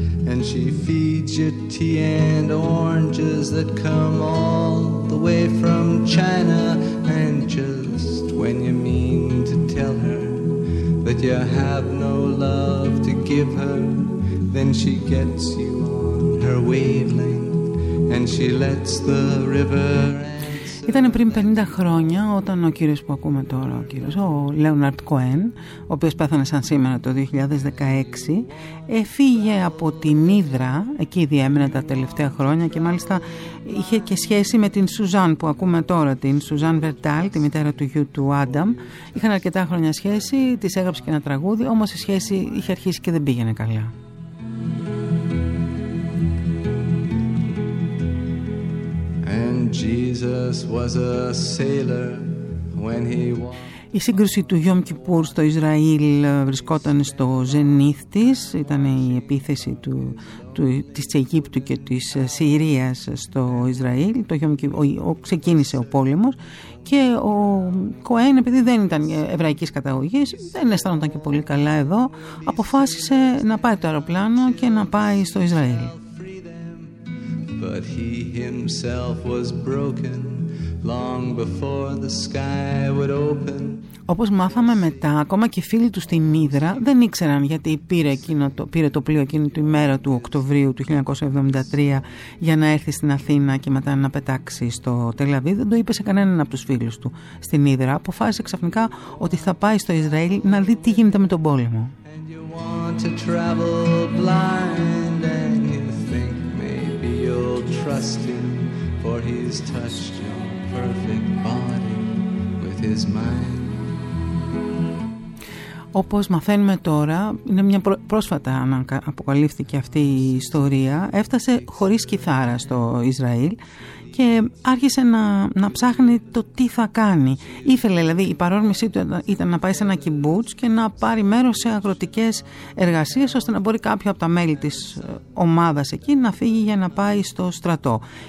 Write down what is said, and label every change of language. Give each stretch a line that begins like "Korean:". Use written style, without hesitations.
English: And she feeds you tea and oranges that come all the way from China, and just when you mean to tell her that you have no love to give her, then she gets you on her wavelength and she lets the river answer.
Greek: Ήταν πριν 50 χρόνια όταν ο κύριος που ακούμε τώρα, ο κύριος, ο Λέοναρντ Κοέν, ο οποίος πέθανε σαν σήμερα το 2016, έφυγε από την Ήδρα, εκεί διέμενε τα τελευταία χρόνια, και μάλιστα είχε και σχέση με την Σουζάν που ακούμε τώρα, την Σουζάν Βερτάλ, τη μητέρα του γιου του Άνταμ. Είχαν αρκετά χρόνια σχέση, της έγραψε και ένα τραγούδι, όμως η σχέση είχε αρχίσει και δεν πήγαινε καλά.
English: And Jesus was a sailor when he was...
Greek: Η σύγκρουση του Γιόμ Κιπούρ στο Ισραήλ βρισκόταν στο ζενίθ της. Ήταν η επίθεση της Αιγύπτου και της Συρίας στο Ισραήλ. Ξεκίνησε ο πόλεμος, και ο Κοέν, επειδή δεν ήταν εβραϊκής καταγωγής, δεν αισθανόταν και πολύ καλά εδώ, αποφάσισε να πάει το αεροπλάνο και να πάει στο Ισραήλ.
English: But he himself was broken long before the sky would open.
Greek: Όπως μάθαμε μετά, ακόμα και φίλοι του στην Ήδρα δεν ήξεραν γιατί πήρε το πλοίο εκείνη τη μέρα του Οκτωβρίου του 1973 για να έρθει στην Αθήνα και μετά να πετάξει στο Τελαβή. Δεν το είπε σε κανέναν από τους φίλους του στην Ήδρα. Αποφάσισε ξαφνικά ότι θα πάει στο Ισραήλ να δει τι γίνεται με τον πόλεμο.
English: And you want to travel blind, and you think maybe you'll trust him, for he's touched your perfect body with his mind.
Greek: Όπως μαθαίνουμε τώρα, είναι μια πρόσφατα αποκαλύφθηκε αυτή η ιστορία, έφτασε χωρίς κιθάρα στο Ισραήλ και άρχισε να ψάχνει το τι θα κάνει. Ήθελε, δηλαδή, η παρόρμησή του ήταν να πάει σε ένα κιμπούτς και να πάρει μέρος σε αγροτικές εργασίες, ώστε να μπορεί κάποιο από τα μέλη της ομάδας εκεί να φύγει για να πάει στο στρατό.